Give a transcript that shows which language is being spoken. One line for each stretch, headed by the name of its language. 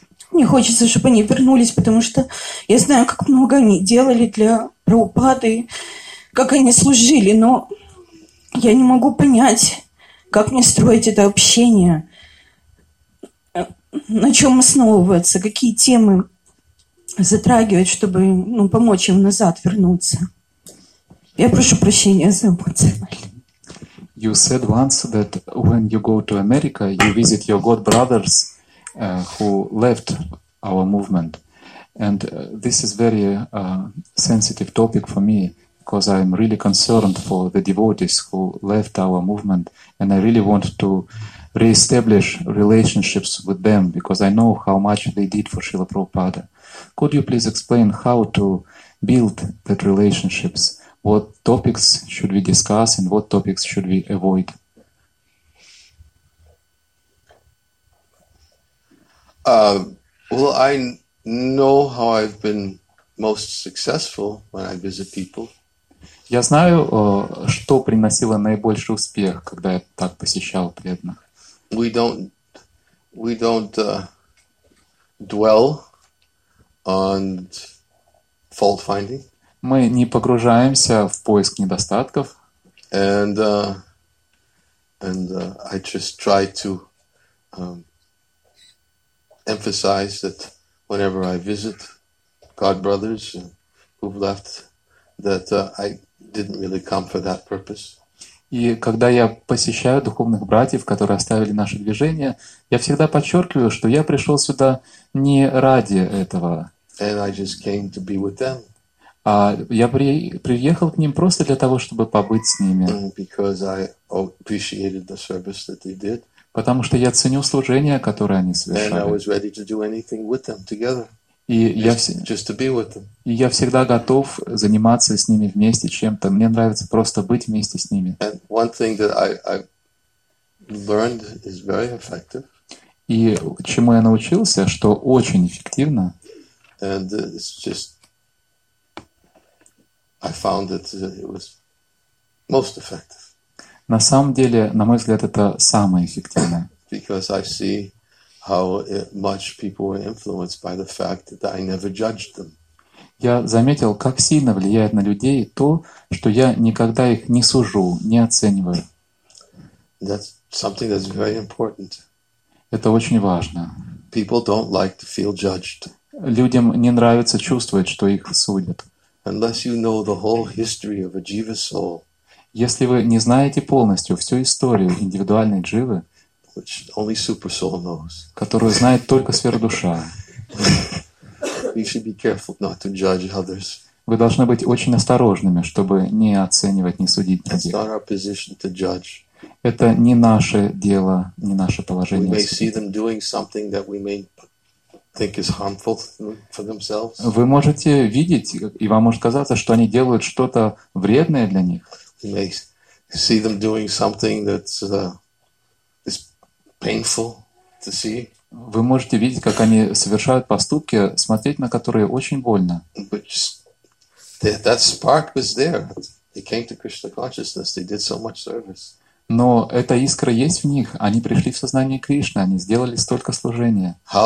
Russian: Мне хочется, чтобы они вернулись, потому что я знаю, как много они делали для Прабхупады, как они служили, но я не могу понять, как мне строить это общение, на чем основываться, какие темы затрагивать, чтобы, ну, помочь им назад вернуться. Я прошу прощения за эмоциональность.
English: You said once that when you go to America, you visit your god brothers who left our movement. And this is very sensitive topic for me, because I'm really concerned for the devotees who left our movement. And I really want to reestablish relationships with them, because I know how much they did for Srila Prabhupada. Could you please explain how to build that relationships? What topics should we discuss and what topics should we avoid? Well, I know how I've been most successful when I visit people.
Russian: Я знаю, что приносило наибольший успех, когда я так посещал преданных.
English: We don't dwell on fault finding.
Russian: Мы не погружаемся в поиск недостатков.
English: And I just try to emphasize that whenever I visit God brothers who've left, that I didn't really come for that purpose.
Russian: И когда я посещаю духовных братьев, которые оставили наше движение, я всегда подчеркиваю, что я пришел сюда не ради этого.
English: And I just came to be with them.
Russian: А я приехал к ним просто для того, чтобы побыть с ними.
English: Because I appreciated the service that they did.
Russian: Потому что я ценю служение, которое они совершали.
English: And I was ready to do anything with them together.
Russian: И
English: just to be with them.
Russian: И я всегда готов заниматься с ними вместе чем-то. Мне нравится просто быть вместе с ними.
English: And one thing that I learned is very effective.
Russian: И чему я научился, что очень эффективно.
English: And it's just I found that it was most effective.
Russian: На самом деле, на мой взгляд, это самое эффективное.
English: Because I see how much people were influenced by the fact that I never judged them.
Russian: Я заметил, как сильно влияет на людей то, что я никогда их не сужу, не оцениваю.
English: That's something that's very important.
Russian: Это очень важно.
English: People don't like to feel judged.
Russian: Людям не нравится чувствовать, что их судят.
English: Unless you know the whole history of a jiva soul,
Russian: если вы не знаете полностью всю историю индивидуальной дживы,
English: which only super soul knows,
Russian: которую знает только сверхдуша,
English: you should be careful not to judge others.
Russian: Вы должны быть очень осторожными, чтобы не оценивать, не судить других.
English: It's not our position to judge.
Russian: Это не наше дело, не наше положение.
English: We may see them doing something that we may think is harmful for themselves.
Russian: Вы можете видеть, и вам может казаться, что они делают что-то вредное для них.
English: You may see them doing something that is painful to see.
Russian: Вы можете видеть, как они совершают поступки, смотреть на которые очень больно.
English: But that spark was there. They came to Krishna consciousness. They did so much service.
Russian: Но эта искра есть в них. Они пришли в сознание Кришны. Они сделали столько служения.